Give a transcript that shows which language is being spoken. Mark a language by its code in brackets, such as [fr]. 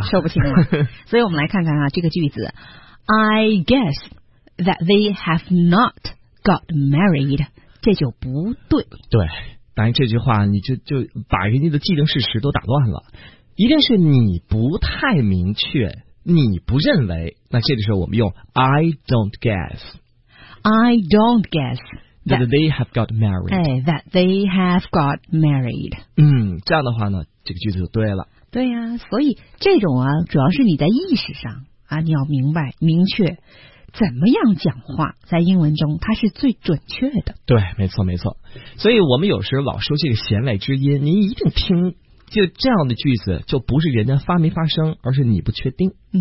[zh] 说不清了。所以我们来看看啊，这个句子 ， [en] I guess。 That they have not got married， [zh] 这就不对。对，但是这句话你就把人家的既定事实都打乱了，一定是你不太明确，你不认为。那这个时候我们用 [en] I don't guess that they have got married。哎 ，that they have got married。 [zh] 这样的话呢，这个句子就对了。对呀、所以这种啊，主要是你在意识上啊，你要明白明确。怎么样讲话在英文中它是最准确的。对，没错没错。所以我们有时老说这个弦外之音，您一定听，就这样的句子就不是人家发没发生，而是你不确定。